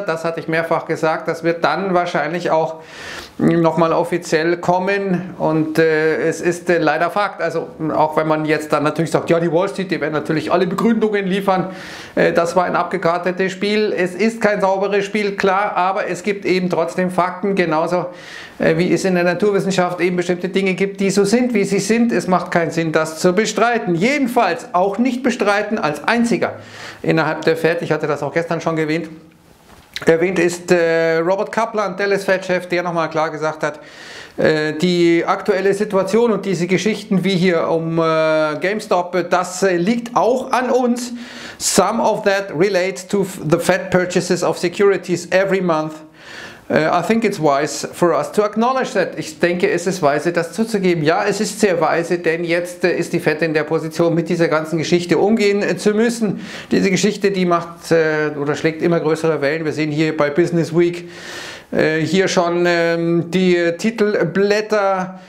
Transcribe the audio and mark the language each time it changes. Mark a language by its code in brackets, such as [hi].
[de] Das hatte ich mehrfach gesagt, das wird dann wahrscheinlich auch nochmal offiziell kommen und es ist leider Fakt, also auch wenn man jetzt dann natürlich sagt, ja die Wall Street, die werden natürlich alle Begründungen liefern, das war ein abgekartetes Spiel, es ist kein sauberes Spiel, klar, aber es gibt eben trotzdem Fakten, genauso wie es in der Naturwissenschaft eben bestimmte Dinge gibt, die so sind, wie sie sind, es macht keinen Sinn, das zu bestreiten, jedenfalls auch nicht bestreiten als einziger innerhalb der Fed, ich hatte das auch gestern schon erwähnt. Erwähnt ist Robert Kaplan, Dallas Fed-Chef, der nochmal klar gesagt hat, die aktuelle Situation und diese Geschichten wie hier um GameStop, das liegt auch an uns. [en] Some of that relates to the Fed purchases of securities every month. I think it's wise for us to acknowledge that. [de] Ich denke, es ist weise, das zuzugeben. Ja, es ist sehr weise, denn jetzt ist die Fed in der Position, mit dieser ganzen Geschichte umgehen zu müssen. Diese Geschichte, die macht oder schlägt immer größere Wellen. Wir sehen hier bei Business Week hier schon die Titelblätter.